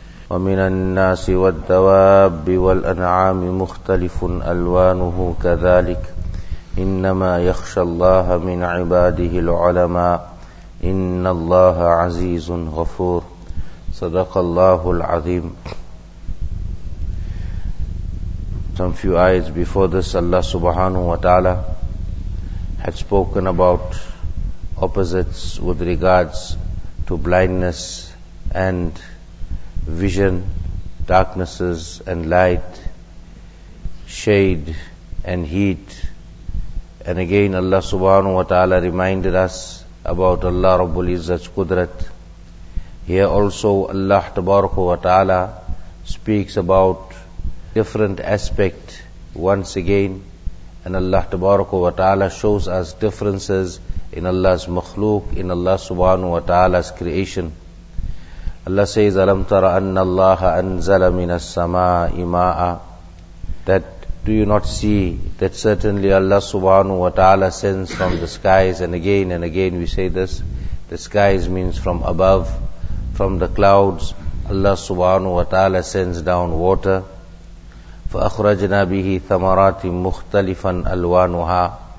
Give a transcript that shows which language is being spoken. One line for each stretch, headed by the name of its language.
Arabic: ومن الناس والدواب والأنعام مختلف ألوانه كذلك إنما يخشى الله من عباده العلماء إن الله عزيز غفور صدق الله العظيم.
English: Some few ayahs before this, Allah subhanahu wa ta'ala had spoken about opposites with regards to blindness and vision, darknesses and light, shade and heat. And again Allah subhanahu wa ta'ala reminded us about Allah Rabbul Izzat's Qudrat. Here also Allah tabarakah wa ta'ala speaks about different aspect once again, and Allah tabarakah wa ta'ala shows us differences in Allah's makhluk, in Allah subhanahu wa ta'ala's creation. Allah says,
Arabic: أَلَمْ تَرَ أَنَّ اللَّهَ أَنزَلَ مِنَ السَّمَاءِ مَاءً.
English: That do you not see that certainly Allah subhanahu wa ta'ala sends from the skies, and again we say this, the skies means from above, from the clouds, Allah subhanahu wa ta'ala sends down water.
Arabic: فَأَخْرَجْنَا بِهِ ثَمَرَاتٍ مُخْتَلِفًا أَلْوَانُهَا.